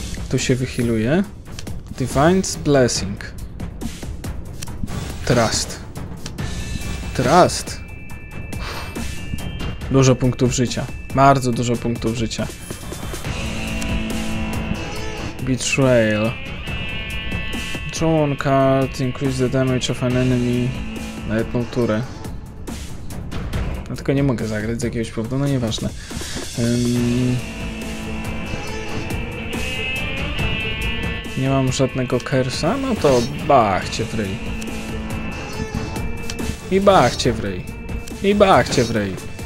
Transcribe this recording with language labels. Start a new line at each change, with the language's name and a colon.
Polish: Tu się wyhiluje. Divine's Blessing. Trust. Trust. Dużo punktów życia. Bardzo dużo punktów życia.
English: Betrayal. Draw one card, increase the damage of an enemy.
Polish: Na jedną turę. No tylko nie mogę zagrać z jakiegoś powodu, no nieważne. Nie mam żadnego kersa, no to bach cię w ryj. I bach cię w ryj. I bach cię w ryj.